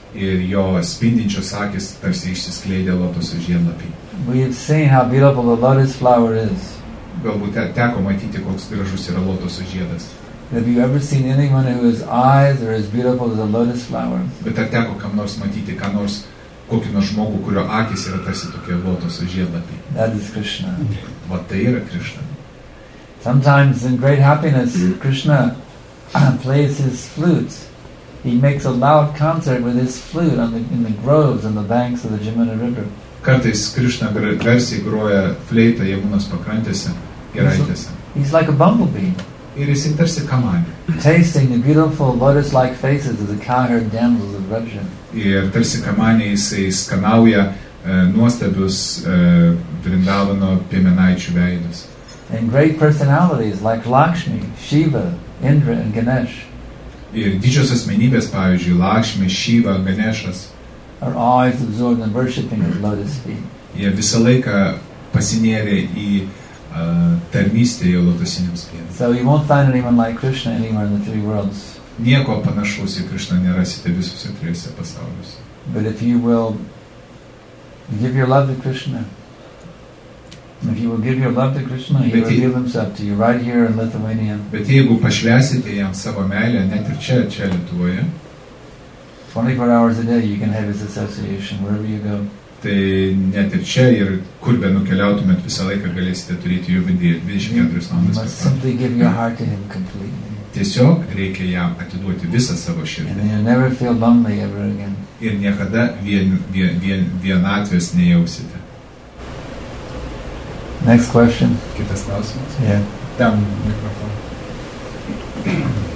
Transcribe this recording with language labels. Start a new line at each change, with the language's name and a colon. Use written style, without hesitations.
Lithuanian: Ir jo spindinčios akis tarsi išsiskleidė lotoso žiedlapiai.
English: We have seen how beautiful the lotus flower is.
Lithuanian: Galbūt teko matyti, koks gražus yra lotoso žiedas.
English: Have you ever seen anyone whose eyes are as beautiful as a lotus flower?
Lithuanian: Bet ar teko kam nors matyti, ką nors, kokį nors žmogų, kurio akis yra tarsi tokie lotoso žiedlapiai?
English: That is Krishna.
Lithuanian: Va tai yra Krishna.
English: Sometimes in great happiness, Krishna plays his flute. He makes a loud concert with his flute in the groves on the banks of the Jamuna River.
Lithuanian: Kartais Krishna garsiai groja fleitą Jamunos pakrantėse, giraitėse.
English: He's like a bumblebee.
Lithuanian: Ir jis tarsi kamanė.
English: Tasting the beautiful lotus-like faces of the cowherd damsels of Raja.
Lithuanian: Ir tarsi kamanė jisai skanauja nuostabius Vrindavano piemenaičių veidus.
English: And great personalities like Lakshmi, Shiva, Indra and Ganesh.
Lithuanian: Ir didžios asmenybės, pavyzdžiui, Lakshmi, Shiva, Ganeshas.
English: Our eyes absorbed in worshipping his lotus feet.
Lithuanian: Jie visą laiką pasinėrė į tarnystę jo lotosiniams pėdams.
English: So you won't find anyone like Krishna anywhere in the three worlds.
Lithuanian: Nieko panašaus į Krishna nerasite visose trijose pasauliuose.
English: But if you will give your love to Krishna, if you will give your love to Krishna, he will reveal himself to you right here in Lithuania.
Lithuanian: Bet jeigu pašvesite jam savo meilę, net ir čia Lietuvoje,
English: 24 hours a day you can have his association wherever you go.
Lithuanian: Tai net ir čia, ir kur be nukeliautumėt, visą laiką galėsite turėti jų vidį 24 valandas.
English: You must simply give your heart to him completely.
Lithuanian: Tiesiog reikia jam atiduoti visą savo širdį.
English: And you'll never feel lonely ever again.
Lithuanian: Ir niekada vienatvės nejausite.
English: Next question.
Lithuanian: Kitas klausimas.
English: Yeah.
Lithuanian: Tam mikrofon.